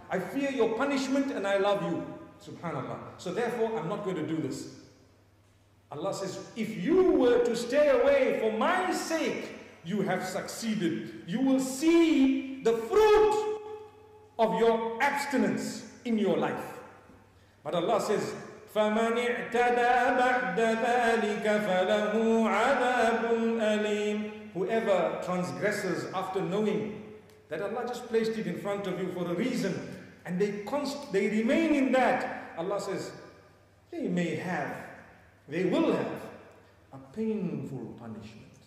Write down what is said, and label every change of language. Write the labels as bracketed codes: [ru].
[en] I fear your punishment and I love you, subhanAllah. So therefore, I'm not going to do this. Allah says, if you were to stay away for my sake, you have succeeded. You will see the fruit of your abstinence in your life. But Allah says, [ar] فَمَنْ اِعْتَدَى بَعْدَ ذَٰلِكَ فَلَهُ عَذَابٌ أَلِيمٌ. [en] Whoever transgresses after knowing that Allah just placed it in front of you for a reason, and they remain in that, Allah says, they may have, they will have a painful punishment.